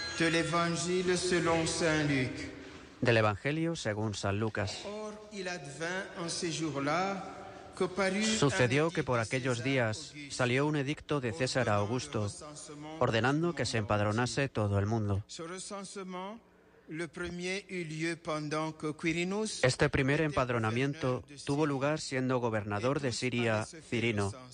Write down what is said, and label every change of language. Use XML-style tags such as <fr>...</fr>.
<fr>L'Évangile selon Saint Luc.</fr> <es>Del Evangelio según San Lucas.</es> <fr>Or, il advint en ces jours-là que parut</fr> <es>sucedió que por aquellos días salió un edicto de César Augusto ordenando que se empadronase todo el mundo.</es> <fr>Ce recensement</fr> <es>Este primer empadronamiento tuvo lugar siendo gobernador de Siria, Cirino.</es>